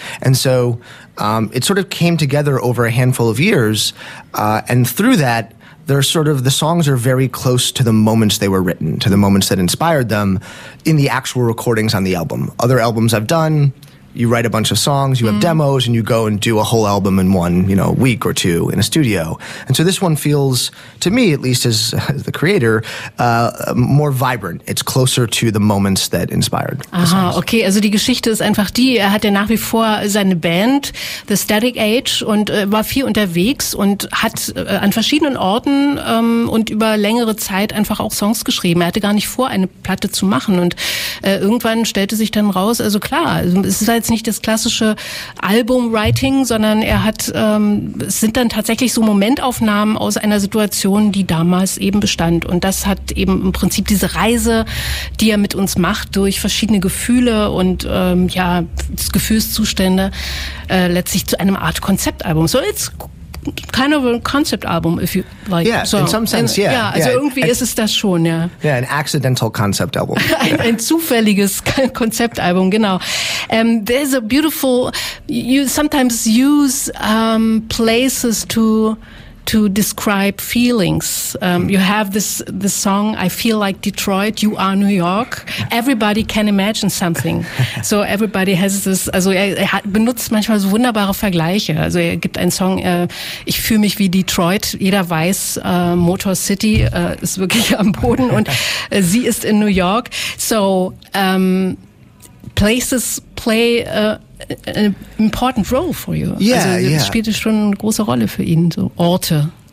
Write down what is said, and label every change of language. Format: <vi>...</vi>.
<en>And so it sort of came together over a handful of years, and through that, they're sort of, the songs are very close to the moments they were written, to the moments that inspired them in the actual recordings on the album. Other albums I've done, you write a bunch of songs, you have demos, and you go and do a whole album in one, you know, week or two in a studio. And so this one feels, to me at least as the creator, more vibrant. It's closer to the moments that inspired the songs.</en> <de>Aha, okay, also die Geschichte ist einfach die, er hatte nach wie vor seine Band, The Static Age, und war viel unterwegs und hat an verschiedenen Orten und über längere Zeit einfach auch Songs geschrieben. Er hatte gar nicht vor, eine Platte zu machen, und irgendwann stellte sich dann raus, also klar, es ist jetzt nicht das klassische Album-Writing, sondern er hat, es sind dann tatsächlich so Momentaufnahmen aus einer Situation, die damals eben bestand. Und das hat eben im Prinzip diese Reise, die er mit uns macht, durch verschiedene Gefühle und ja, Gefühlszustände, letztlich zu einem Art Konzeptalbum.</de> <en>So, it's kind of a concept album, if you like. Yeah, so, in some sense, yeah.</en> <de>Yeah, also yeah, irgendwie ist es das schon, ja.</de> <en>Yeah, an accidental concept album.</en> <de>ein zufälliges Konzeptalbum, genau.</de> <en>There's a beautiful, you sometimes use places to describe feelings. You have this song, I Feel Like Detroit, You Are New York. Everybody can imagine something. So everybody has this,</en> <de>also er benutzt manchmal so wunderbare Vergleiche. Also er gibt einen Song, ich fühle mich wie Detroit. Jeder weiß, Motor City ist wirklich am Boden und sie ist in New York.</de> <en>So places play an important role for you. Yeah,</en> <de>also,</de> <en>yeah.</en> <de>Spielt es schon eine große Rolle für ihn, so Orte.</de>